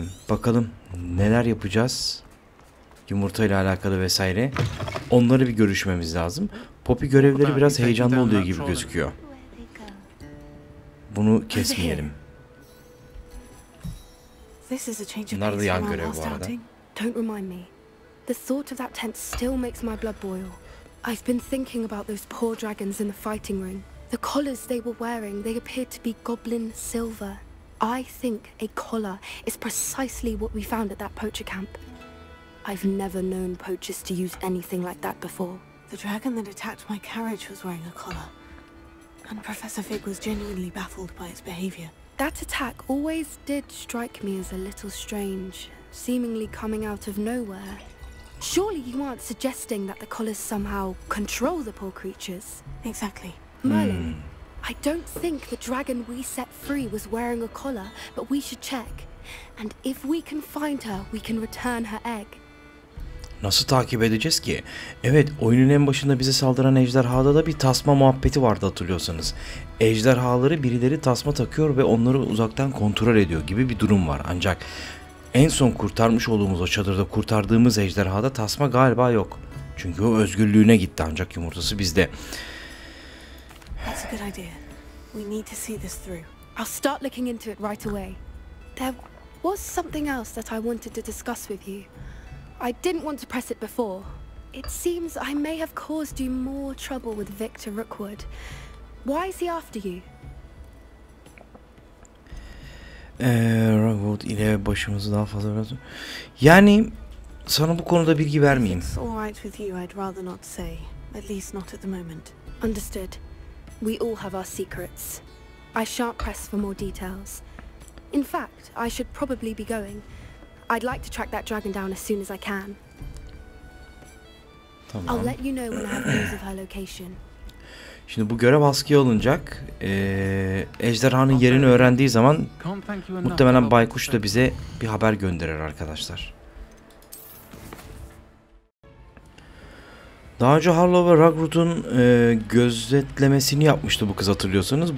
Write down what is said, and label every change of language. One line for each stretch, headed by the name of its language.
Turkish: Bakalım neler yapacağız yumurta ile alakalı vesaire. Onları bir görüşmemiz lazım. Poppy görevleri biraz heyecanlı oluyor gibi gözüküyor. Bunu kesmeyelim. Bunlar da yan görev bu arada.
English: Don't remind me. The thought of that tent still makes my blood boil. I've been thinking about those poor dragons in the fighting room. The collars they were wearing, they appeared to be goblin silver. I think a collar is precisely what we found at that poacher camp. I've never known poachers to use anything like that before. The dragon that attacked my carriage was wearing a collar. And Professor Fig was genuinely baffled by its behavior. That attack always did strike me as a little strange, seemingly coming out of nowhere. Surely you aren't suggesting that the collars somehow control the poor creatures? Exactly. I don't think the dragon we set free was wearing a collar, but we should check. And if we can find her, we can return her egg.
Turkish: Nasıl takip edeceğiz ki? Evet, oyunun en başında bize saldıran ejderhada da bir tasma muhabbeti vardı hatırlıyorsanız. Ejderhaları birileri tasma takıyor ve onları uzaktan kontrol ediyor gibi bir durum var. Ancak en son kurtarmış olduğumuz, o çadırda kurtardığımız ejderhada tasma galiba yok. Çünkü o özgürlüğüne gitti, ancak yumurtası bizde.
English: That's a good idea. We need to see this through. I'll start looking into it right away. There was something else that I wanted to discuss with you. I didn't want to press it before. It seems I may have caused you more trouble with Victor Rookwood. Why is he after you?
Turkish: Rookwood ile başımızı daha fazla lazım. Yani sana bu konuda bilgi vermeyeyim.
English: It's all right with you, I'd rather not say. At least not at the moment. Understood. We all have our secrets. I shan't press for more details. In fact, I should probably be going. I'd like to track that dragon down as soon as I can.
Turkish: Tamam.
English: I'll let you know when I have news of her location.
Turkish: Şimdi bu görev askıya alınacak. Ejderhanın yerini öğrendiği zaman muhtemelen Baykuş da bize bir haber gönderir arkadaşlar. Daha önce Harlow ve Ragroot'un gözetlemesini yapmıştı bu kız hatırlıyorsanız.